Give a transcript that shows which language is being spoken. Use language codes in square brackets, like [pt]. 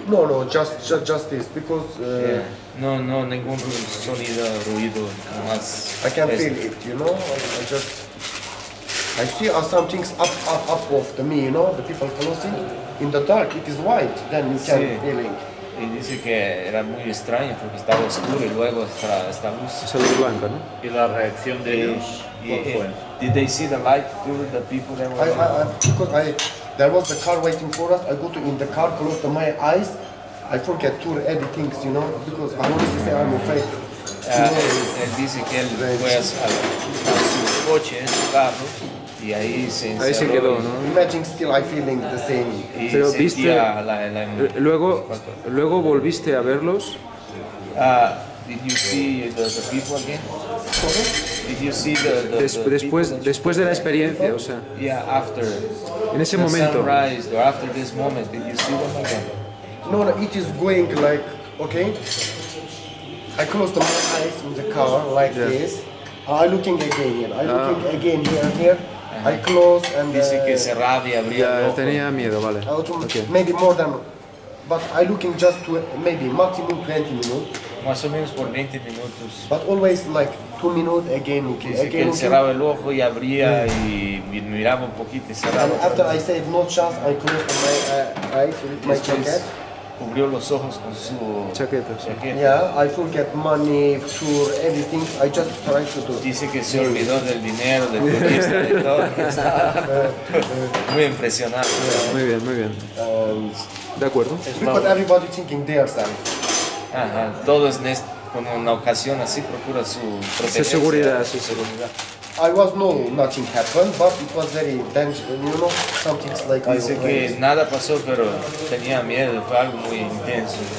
[en] No, no, just this, because. [es] No, ningún sonido, ruido, más. [en] I can feel it, you know? I see some things up off the me, you know? The people closing. In the dark, it is white, then you can feel it. [es] Y dice que era muy extraño porque estaba oscuro y luego esta luz. Esa luz blanca, ¿no? Y la reacción de ellos. [en] Did they see the light through the people that were. There was the car waiting for us. I go to in the car, close to my eyes. I forget to add things, you know, because I want to say I'm afraid. [es] Él dice que él fue a su coche, en su carro, y ahí se encerró. Ahí se quedó, ¿no? [en] Imagine still I feeling the same. [es] Pero viste, luego volviste a verlos. [en] Did you see the people again? Did you see [es] después de la experiencia, o sea. [en] Yeah, after. [es] En ese [en] the [es] momento. [en] Sunrise, or after this moment, did you see them again? No, it is going like, okay. I closed my eyes in the car like this. I'm looking again here. I'm looking again here. Uh-huh. I close and. [es] Dice que cerraba y abría. Ya tenía miedo, vale. [en] Okay. Maybe more than. But I looking just to maybe maximum 20 minutes. [es] Más o menos por 20 minutos. [en] But always like 2 minutes again, okay. [es] Dice [en] again, [es] que cerraba el ojo y abría y miraba un poquito y cerraba. [en] And after I said no chance, I closed my eyes with my jacket. [es] cubrió los ojos con su chaqueta. [en] Yeah, I forget money, sure, everything. I just try to do. [es] Dice que se olvidó del dinero, del turista, de todo. Muy impresionante. Yeah, muy bien, muy bien. De acuerdo. [en] But everybody thinking they are starting. [es] Ajá, todos con una ocasión así procura su protección. Su seguridad, su seguridad. [en] I was no, nothing happened, but it was very dangerous, you know, something like I was afraid. [es] Dice que nada pasó, pero tenía miedo, fue algo muy intenso.